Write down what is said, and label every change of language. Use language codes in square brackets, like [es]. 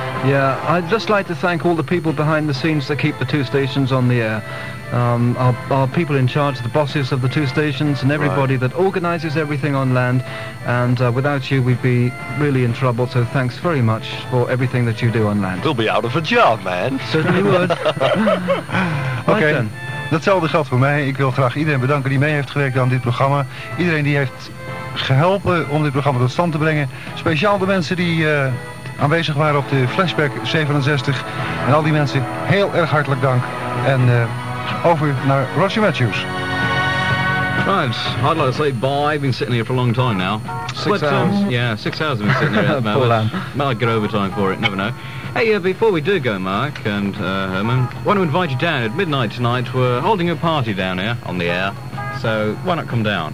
[en] Yeah, I'd just like to thank all the people behind the scenes that keep the two stations on the air. Our people in charge, the bosses of the two stations, and everybody right. that organizes everything on land. And without you, we'd be really in trouble. So thanks very much for everything that you do on land. We'll be out of a job, man. Certainly would. Right, okay. Then. [nl] Datzelfde geldt voor mij. Ik wil graag iedereen bedanken die mee heeft gewerkt aan dit programma. Iedereen die heeft geholpen om dit programma tot stand te brengen. Speciaal de mensen die aanwezig waren op de Flashback 67. En al die mensen, heel erg hartelijk dank. En over naar Roger Matthews. [en] Right, I'd like to say bye. I've been sitting here for a long time now. Six hours. Yeah, 6 hours I've been sitting here at the moment. Poor man. Might get overtime for it, never know. Hey, before we do go, Mark and Herman, I want to invite you down at midnight tonight. We're holding a party down here on the air, so why not come down?